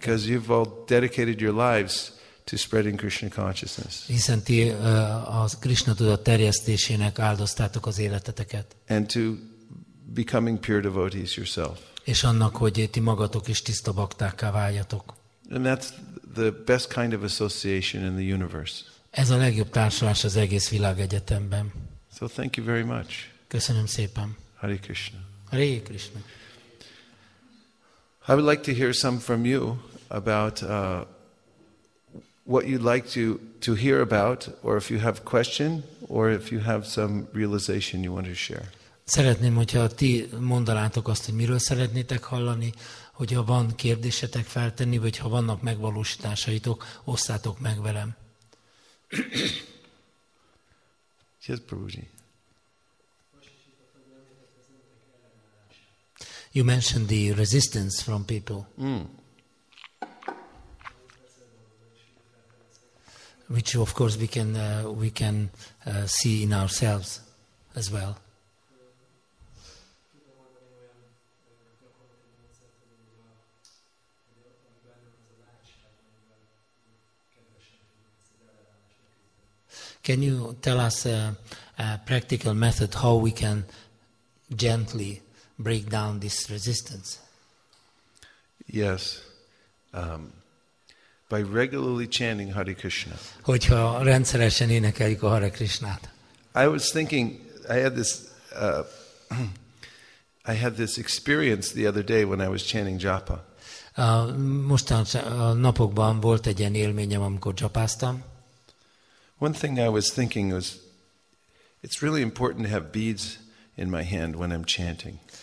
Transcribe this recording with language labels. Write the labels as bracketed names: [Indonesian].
[English] Because you've all dedicated your lives to spreading Krishna consciousness. [Hungarian] Hiszen ti a Krishna tudat terjesztésének áldoztátok az életeteket. [English] And to becoming pure devotees yourself. [Hungarian] És annak, hogy ti magatok is tiszta baktákká váljatok. [English] And that's the best kind of association in the universe. [Hungarian] Ez a legjobb társulás az egész világegyetemben. [English] So thank you very much. [Hungarian] Köszönöm szépen. [English] Hare Krishna. Hare Krishna. I would like to hear some from you about what you'd like to hear about, or if you have question, or if you have some realization you want to share. [Hungarian] Szeretném, hogyha ti mondanátok azt, hogy miről szeretnétek hallani, hogyha van kérdésetek feltenni, vagy ha vannak megvalósításaitok, osszátok meg velem. [English] Yes, Prabhuji. You mentioned the resistance from people. Mm. Which of course we can see in ourselves as well. Can you tell us a practical method how we can gently break down this resistance? Yes. By regularly chanting Hare Krishna. [Hungarian] Hogyha rendszeresen énekeljük a Hare Krishnát. [English] I was thinking, I had this experience the other day when I was chanting japa. [Hungarian] Mostanában napokban volt egy ilyen élményem, amikor japáztam. [English] One thing I was thinking was, it's really important to have beads in my hand when I'm chanting.